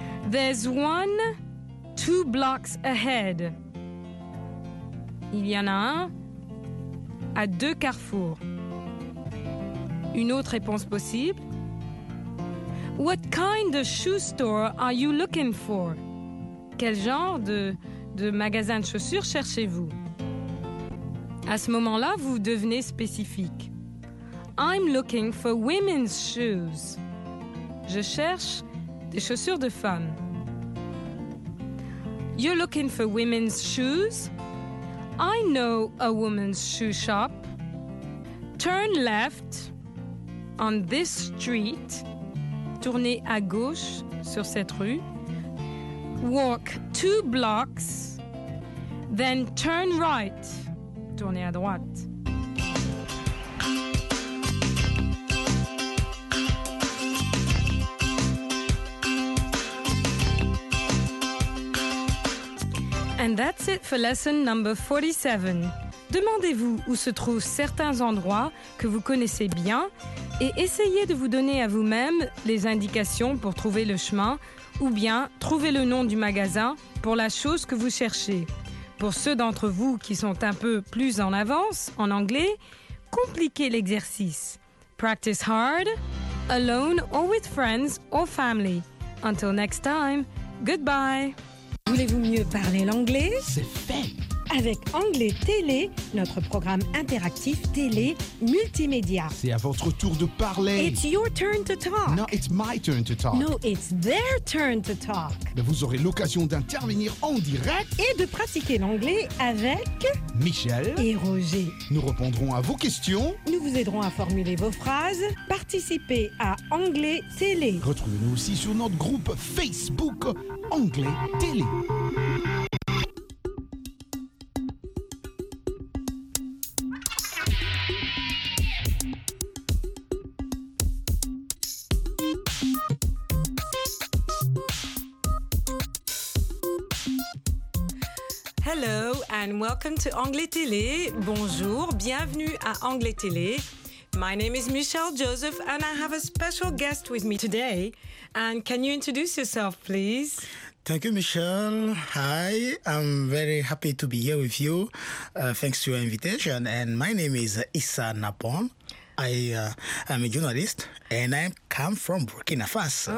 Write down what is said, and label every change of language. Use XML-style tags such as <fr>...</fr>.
<en>There's one two blocks ahead.</en> <fr>Il y en a un à deux carrefours. Une autre réponse possible.</fr> <en>What kind of shoe store are you looking for?</en> <fr>Quel genre de magasin de chaussures cherchez-vous? À ce moment-là, vous devenez spécifique.</fr> <en>I'm looking for women's shoes.</en> <fr>Je cherche des chaussures de femmes.</fr> <en>You're looking for women's shoes? I know a woman's shoe shop. Turn left. On this street,</en> <fr>tournez à gauche sur cette rue.</fr> <en>Walk two blocks, then turn right.</en> <fr>Tournez à droite.</fr> <en>And that's it for lesson number 47.</en> <fr>Demandez-vous où se trouvent certains endroits que vous connaissez bien. et essayez de vous donner à vous-même les indications pour trouver le chemin ou bien trouver le nom du magasin pour la chose que vous cherchez. Pour ceux d'entre vous qui sont un peu plus en avance en anglais, compliquez l'exercice.</fr> <en>Practice hard, alone or with friends or family. Until next time, goodbye.</en> <fr>Voulez-vous mieux parler l'anglais? C'est fait! Avec Anglais Télé, notre programme interactif télé multimédia. C'est à votre tour de parler.</fr> <en>It's your turn to talk. No, it's my turn to talk. No, it's their turn to talk.</en> <fr>Mais vous aurez l'occasion d'intervenir en direct. Et de pratiquer l'anglais avec... Michel. Et Roger. Nous répondrons à vos questions. Nous vous aiderons à formuler vos phrases. Participez à Anglais Télé. Retrouvez-nous aussi sur notre groupe Facebook Anglais Télé.</fr> <en>Hello and welcome to Anglais Télé.</en> <fr>Bonjour, bienvenue à Anglais Télé.</fr> <en>My name is Michelle Joseph and I have a special guest with me today. And can you introduce yourself, please? Thank you, Michelle. Hi, I'm very happy to be here with you. Thanks to your invitation. And my name is Issa Napon. I'm a journalist and I come from Burkina Faso.</en>